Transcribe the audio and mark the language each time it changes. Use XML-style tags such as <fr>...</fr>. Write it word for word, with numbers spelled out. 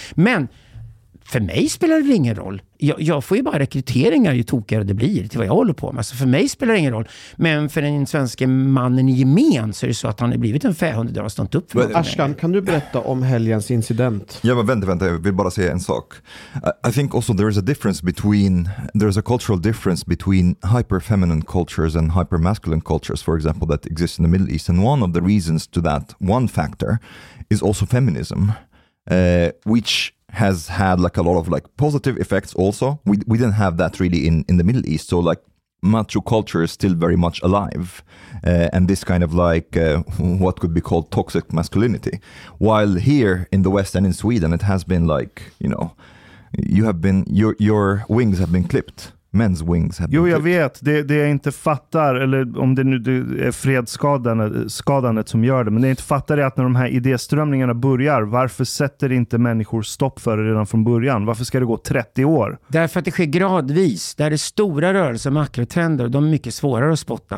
<sv>Men för mig spelar det ingen roll. Jag, jag får ju bara rekryteringar ju tokigare det blir till vad jag håller på med. Så för mig spelar det ingen roll. Men för den svenska mannen i gemen så är det så att han har blivit en fähund och har stått upp för Ashkan, kan du berätta om helgens incident? Ja, men vänta, vänta. Jag vill bara säga en sak.</sv> <en>I, I think also there is a difference between, there is a cultural difference between hyper-feminine cultures and hyper-masculine cultures, for example, that exist in the Middle East. And one of the reasons to that, one factor, is also feminism, uh, which... has had like a lot of like positive effects also. We we didn't have that really in, in the Middle East. So like macho culture is still very much alive. Uh, and this kind of like uh, what could be called toxic masculinity. While here in the West and in Sweden, it has been like, you know, you have been, your your wings have been clipped. men's wings have</en> <sv>Jo,</sv> <en>been</en> <sv>jag vet. Det, det jag inte fattar, eller om det nu det är fredsskadandet skadandet som gör det, men det jag inte fattar är att när de här idéströmningarna börjar, varför sätter inte människor stopp för det redan från början? Varför ska det gå trettio år? Därför att det sker gradvis. Där är stora rörelser, makrotrender, och de är mycket svårare att spotta.</sv>